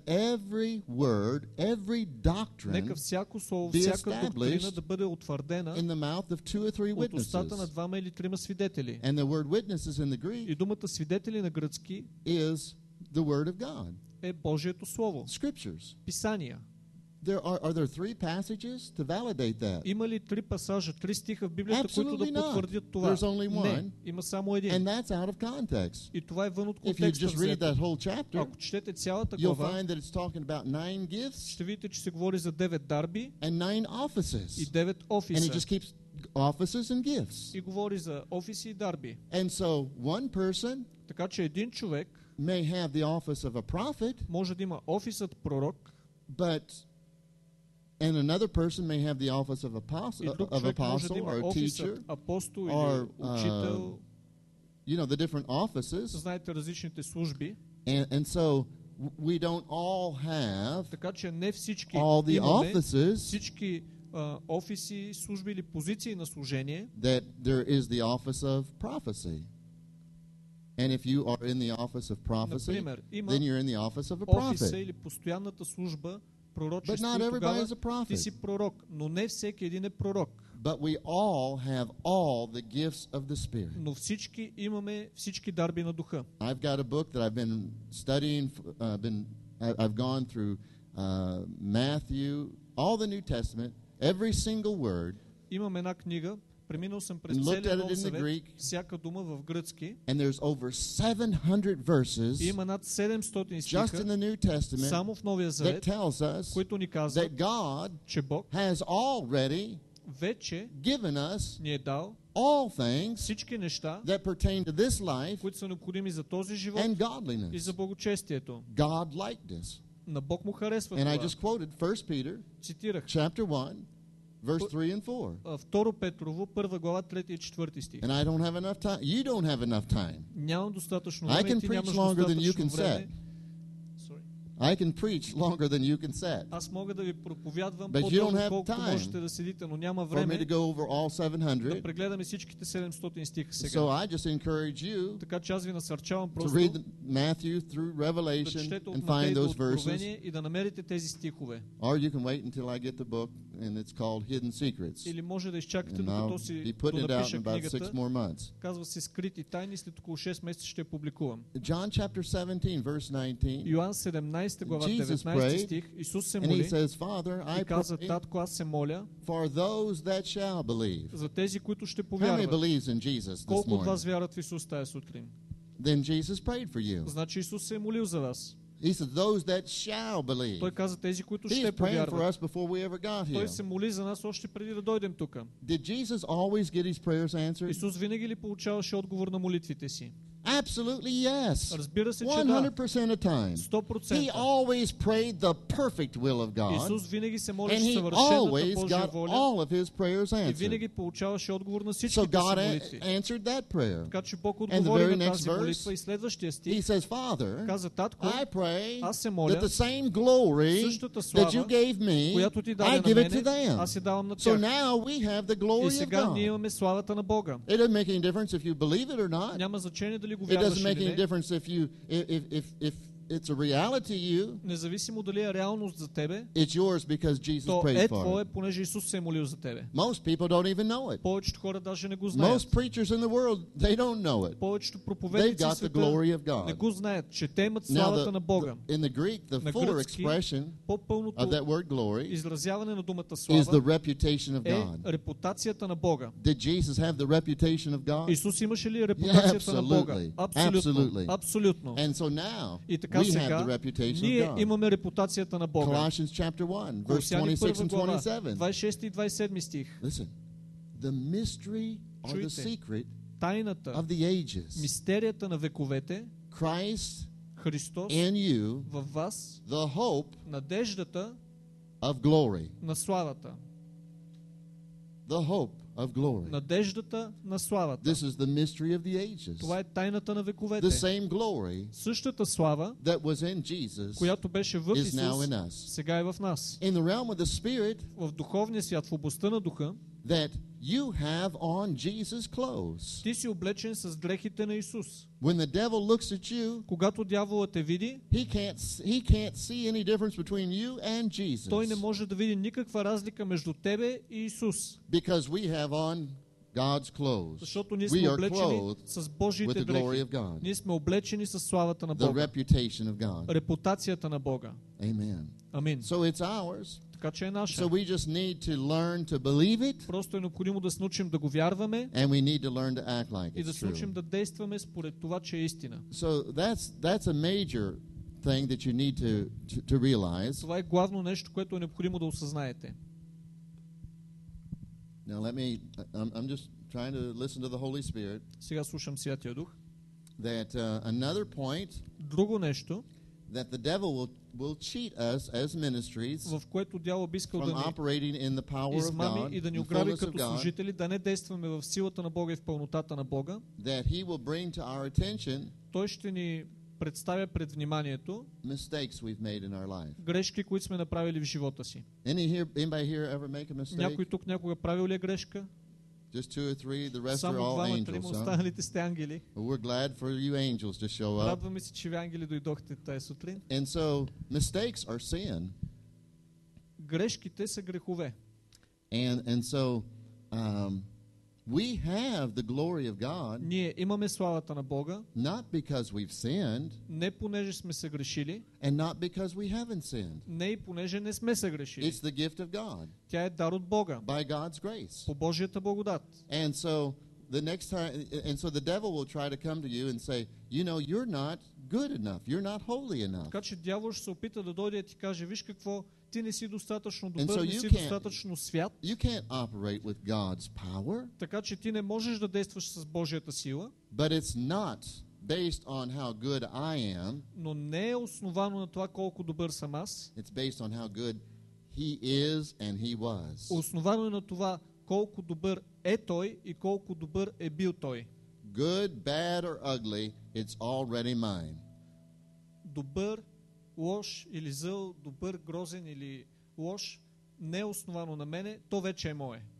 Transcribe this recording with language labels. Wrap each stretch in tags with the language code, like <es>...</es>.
<en>let every word, every doctrine,</en> <bg>нека всяко слово, всяка доктрина да бъде утвърдена</bg> <en>in the mouth of two or three witnesses.</en> <bg>От устата на двама или трима свидетели.</bg> <en>And the word witnesses in the Greek,</en> <bg>и думата свидетели на гръцки</bg> <en>is the word of God.</en> <bg>Е Божието слово.</bg> <en>Scriptures.</en> <bg>Писания.</bg> <en>Are there three passages to validate that?</en> <bg>Има ли три пасажа, три стиха в Библията, които да потвърдят това?</bg> <en>There's only one.</en> <bg>Не, има само един.</bg> <en>And that's out of context.</en> <bg>И това е вън от контекста.</bg> <en>If you just read that whole chapter,</en> <bg>ако четете цялата глава,</bg> <en>you'll find that it's talking about nine gifts,</en> <bg>ще видите, че се говори за девет дарби</bg> <en>and nine offices.</en> <bg>И девет офиса.</bg> <en>And it just keeps offices and gifts.</en> <bg>И говори за офиси и дарби.</bg> <en>And so one person,</en> <bg>така че един човек,</bg> <en>may have the office of a prophet,</en> <bg>може да има офисът пророк,</bg> <en>but and another person may have the office of apostle or teacher,</en> <bg>апостол,</bg> <en>or you know, the different offices.</en> <bg>Знаете, различните служби.</bg> <en>And so we don't all have,</en> <bg>така че не всички,</bg> <en>all the offices,</en> <bg>всички офиси, служби или позиции на служение,</bg> <en>that there is the office of prophecy. And if you are in the office of prophecy,</en> <bg>например,</bg> <en>then you're in the office of a prophet.</en> <bg>Офиса или постоянната служба,</bg> <en>but not everybody is a prophet.</en> <bg>Ти си пророк, но не всеки един е пророк.</bg> <en>But we all have all the gifts of the Spirit.</en> <bg>Но всички имаме всички дарби на духа.</bg> <en>I've got a book that I've been studying, I've gone through Matthew, all the New Testament, every single word.</en> <bg>Имам една книга, преминал съм през целия Нов Завет, всяка дума в гръцки.</bg> <en>And there's over 700 verses.</en> <bg>Има над 700 стиха.</bg> <en>Just in the New Testament.</en> <bg>Само в Новия Завет.</bg> <en>That tells us,</en> <bg>които ни казват,</bg> <en>that God,</en> <bg>че Бог,</bg> <en>has already</en> <bg>вече</bg> <en>given us,</en> <bg>ни е дал</bg> <en>all things,</en> <bg>всички неща,</bg> <en>that pertain to this life,</en> <bg>които са необходими за този живот,</bg> <en>and godliness,</en> <bg>и за благочестието.</bg> <en>God liked this.</en> <bg>На Бог му харесва това.</bg> <en>And I just quoted 1 Peter,</en> <bg>цитирах,</bg> <en>chapter 1, verse 3 and 4.</en> <bg>Второ Петрово, първа глава, 3 и 4 стих.</bg> <en>And I don't have enough time. You don't have enough time.</en> <bg>Нямам достатъчно време.</bg> <en>I can preach longer than you can set. I can preach longer than you can set.</en> <bg>Аз мога да ви проповядвам по-дълго, колкото можете да седите, но няма време.</bg> <en>For me to go over all 700.</en> <bg>Да прегледаме всичките 700 стиха сега.</bg> <en>So I just encourage you.</en> <bg>Така че аз ви насърчавам просто</bg> <en>to read Matthew through Revelation and find those verses.</en> <bg>И да намерите тези стихове.</bg> <en>Or you can wait until I get the book and it's called Hidden Secrets.</en> <bg>Или може да изчакате, докато си донапиша книгата.</bg> <en>About 6 more months.</en> <bg>Казва се Скрити тайни, след около 6 месеца ще я публикувам.</bg> <en>John chapter 17 verse 19. Йоан 17 Jesus prayed, and he says, Father, I pray for those that shall believe.</en> <bg>За тези, които ще повярват.</bg> <en>How many believes in Jesus this morning?</en> <bg>Колко от вас вярват в Исус тая сутрин?</bg> <en>Then Jesus prayed for you.</en> <bg>Значи Исус се е молил за вас.</bg> <en>He said, those that shall believe.</en> <bg>Той каза тези, които ще повярват.</bg> <en>He prayed for us before we ever got here.</en> <bg>Той се моли за нас още преди да дойдем тук.</bg> <en>Did Jesus always get his prayers answered?</en> <bg>Исус винаги ли получаваше отговор на молитвите си?</bg> <en>Absolutely yes. 100% of time. 100%. He always prayed the perfect will of God.</en> <bg>Исус винаги се молеше съвършената Божия воля.</bg> <en>And he always got all of his prayers answered.</en> <bg>И винаги получаваше отговор на всичките си молитви.</bg> <en>So God answered that prayer.</en> <bg>Така че Бог отговори на тази молитва. И следващия стих.</bg> <en>He says, Father,</en> <bg>каза, Татко,</bg> <en>I pray</en> <bg>аз се моля,</bg> <en>that the same glory that you gave me, I give it to them. So now we have the glory of God.</en> <bg>Ние имаме славата на Бога.</bg> <en>It doesn't make any difference if you believe it or not.</en> <bg>Няма значение дали го вярваш.</bg> <en>It doesn't make any difference if it's a reality to you.</en> <bg>Независимо дали е реалност за тебе.</bg> <en>It's yours because Jesus prayed for it.</en> <bg>То е твое, понеже Исус се е молил за тебе.</bg> <en>Most people don't even know it.</en> <bg>Повечето хора даже не го знаят.</bg> <en>Most preachers in the world, they don't know it.</en> <bg>Повечето проповедници в света.</bg> <en>They've got the glory of God.</en> <bg>Не го знаят, че те имат славата на Бога.</bg> <en>In the Greek, the fuller expression of that word glory</en> <bg>изразяване на думата слава</bg> <en>is the reputation of God.</en> <bg>Е репутацията на Бога.</bg> <en>Did Jesus have the reputation of God?</en> <bg>Исус имаше ли репутацията на Бога?</bg> <en>Absolutely.</en> <bg>Абсолютно.</bg> <en>And so now, we have the reputation of God.</en> <bg>Ние имаме репутацията на Бога.</bg> <en>Colossians chapter 1, verse 26 and 27.</en> <bg>26 и 27 стих.</bg> <en>Listen, the mystery or the secret</en> <bg>тайната,</bg> <en>of the ages.</en> <bg>Мистерията на вековете.</bg> <en>Christ</en> <bg>Христос</bg> <en>in you,</en> <bg>във вас,</bg> <en>the hope,</en> <bg>надеждата</bg> <en>of glory.</en> <bg>На славата.</bg> <en>The hope of glory.</en> <bg>Надеждата на славата.</bg> <en>This is the mystery of the ages.</en> <bg>Това е тайната на вековете.</bg> <en>The same glory</en> <bg>същата слава</bg> <en>that was in Jesus,</en> <bg>която беше в</bg> <en>Исус, is now in us.</en> <bg>Сега е в нас.</bg> <en>In the realm of the spirit,</en> <bg>в духовния свят, в областта на духа,</bg> <en>that you have on Jesus clothes.</en> <bg>Ти си облечен с дрехите на Исус.</bg> <en>When the devil looks at you,</en> <bg>когато дяволът те види,</bg> <en>he can't see any difference between you and Jesus.</en> <bg>Той не може да види никаква разлика между тебе и Исус.</bg> <en>Because we have on God's clothes.</en> <bg>Защото ние сме облечени с Божиите дрехи. Ние сме облечени с славата на Бога.</bg> <en>The reputation of God.</en> <bg>Репутацията на Бога.</bg> <en>Amen.</en> <bg>Амин.</bg> <en>So it's ours.</en> <bg>Така че е наша.</bg> <en>So we just need to learn to believe it.</en> <bg>Просто е необходимо да се научим да го вярваме.</bg> <en>And we need to learn to act like it's true.</en> <bg>И да се научим да действаме според това, че е истина.</bg> <en>So that's a major thing that you need to realize.</en> <bg>Това е главно нещо, което е необходимо да осъзнаете.</bg> <en>Now I'm just trying to listen to the Holy Spirit.</en> <bg>Сега слушам Святия Дух.</bg> <en>That another point.</en> <bg>Друго нещо.</bg> <en>That the devil will cheat us as ministries.</en> <bg>В което дявол би искал да ни измами и да ни ограби като служители, да не действаме в силата на Бога и в пълнотата на Бога.</bg> <en>That he will bring to our attention.</en> <bg>Той ще ни представя пред вниманието</bg> <en>mistakes we've made in our life.</en> <bg>Грешки, които сме направили в живота си.</bg> <en>Anybody here ever make a mistake?</en> <bg>Някой тук някога правил ли е грешка?</bg> <en>Just two or three, the rest are all angels.</en> <bg>Само двама, трима сте ангели.</bg> <en>We're glad for you angels to show up.</en> <bg>Радваме се, че ви ангели дойдохте тази сутрин.</bg> <en>And so mistakes are sin.</en> <bg>Грешките са грехове.</bg> <en>And so we have the glory of God.</en> <bg>Ние имаме славата на Бога.</bg> <en>Not because we've sinned.</en> <bg>Не понеже сме се грешили.</bg> <en>And not because we haven't sinned.</en> <bg>Не понеже не сме се грешили.</bg> <en>It's the gift of God.</en> <bg>Тя е дар от Бога.</bg> <en>By God's grace.</en> <bg>По Божията благодат.</bg> <en>And so the next time, and so the devil will try to come to you and say, you know, you're not good enough. You're not holy enough.</en> <bg>Така че дявол ще се опита да дойде и ти каже, виж какво. Ти не си достатъчно добър, не си достатъчно свят.</bg> <en>You can't operate with God's power.</en> <bg>Така че ти не можеш да действаш с Божията сила.</bg> <en>But it's not based on how good I am.</en> <bg>Но не е основано на това колко добър съм аз.</bg> <en>It's based on how good he is and he was.</en> <bg>Основано е на това колко добър е той и колко добър е бил той.</bg> <en>Good, bad or ugly, it's already mine.</en> <bg>Добър, лош или зъл, добър, грозен или лош, не е основано на мене, то вече е мое.</bg>